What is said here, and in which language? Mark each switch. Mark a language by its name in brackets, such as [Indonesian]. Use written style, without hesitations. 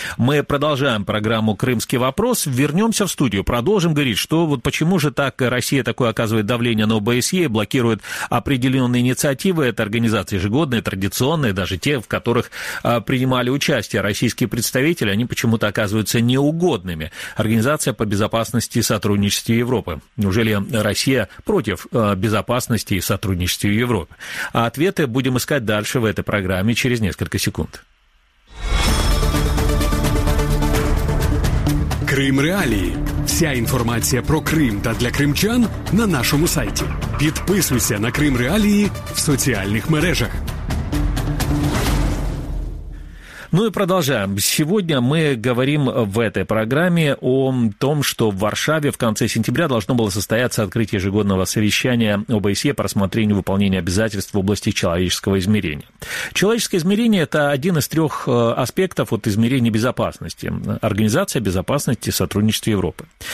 [Russian] Мы продолжаем программу «Крымский вопрос». Вернемся в студию, продолжим говорить, что вот почему же так Россия такое оказывает давление на ОБСЕ, блокирует определенные инициативы этой организации, ежегодные, традиционные, даже те, в которых принимали участие российские представители, они почему-то оказываются неугодными. Организация по безопасности и сотрудничеству Европы. Неужели Россия против безопасности и сотрудничества? сотрудничестве в Европе? А ответы будем искать дальше в этой программе через несколько секунд. [Ukrainian] Крым реалії. Вся інформація про Крим та для кримчан на нашому сайті. Підписуйся на Крим реалії в соціальних мережах. [Russian] Ну и продолжаем. Сегодня мы говорим в этой программе о том, что в Варшаве в конце сентября должно было состояться открытие ежегодного совещания ОБСЕ по рассмотрению выполнения обязательств в области человеческого измерения. Человеческое измерение – это один из трех аспектов от измерения безопасности, Организация безопасности и сотрудничества Европы.